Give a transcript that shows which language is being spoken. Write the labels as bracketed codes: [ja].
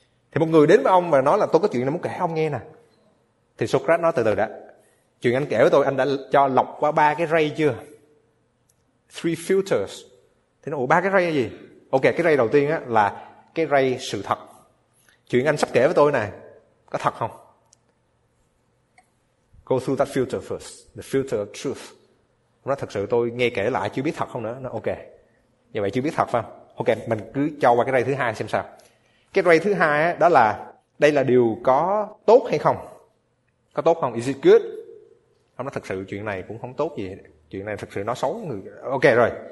[vi] Thì một người đến với ông và nói là tôi có chuyện này muốn kể ông nghe nè. Thì Socrates nói từ từ đã. Chuyện anh kể với tôi, anh đã cho lọc qua ba cái ray chưa? [en] Three filters. [vi] Thì nó, ủa ba cái ray là gì? Ok, cái ray đầu tiên á là cái ray sự thật. Chuyện anh sắp kể với tôi này, có thật không? [en] Go through that filter first, the filter of truth. [vi] Nó nói, thật sự tôi nghe kể lại chưa biết thật không nữa. Nó ok. Như vậy chưa biết thật phải không? Ok, mình cứ cho qua cái ray thứ hai xem sao. Cái ray thứ hai đó là, đây là điều có tốt hay không? Có tốt không? [en] Is it good? [vi] Nó nói, thật sự chuyện này cũng không tốt gì. Chuyện này thật sự nó xấu người. Ok rồi.